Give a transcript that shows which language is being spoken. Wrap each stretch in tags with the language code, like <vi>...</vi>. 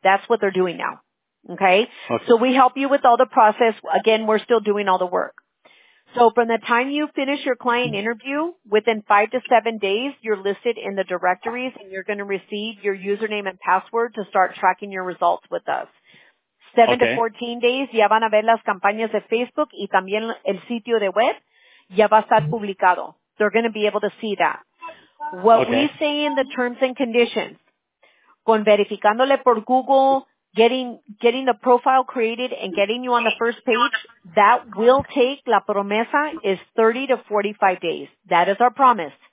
<en>That's what they're doing now. Okay? Okay. So we help you with all the process. Again, we're still doing all the work. So from the time you finish your client interview, within 5 to 7 days, you're listed in the directories and you're going to receive your username and password to start tracking your results with us. Seven okay. to 14 days,</en> <es>ya van a ver las campañas de Facebook y también el sitio de web, ya va a estar publicado.</es> <en>They're going to be able to see that. What okay. we say in the terms and conditions,</en> <es>con verificándole por Google,</es> <en>getting the profile created and getting you on the first page, that will take,</en> <es>la promesa</es> <en>is 30 to 45 days. That is our promise.</en>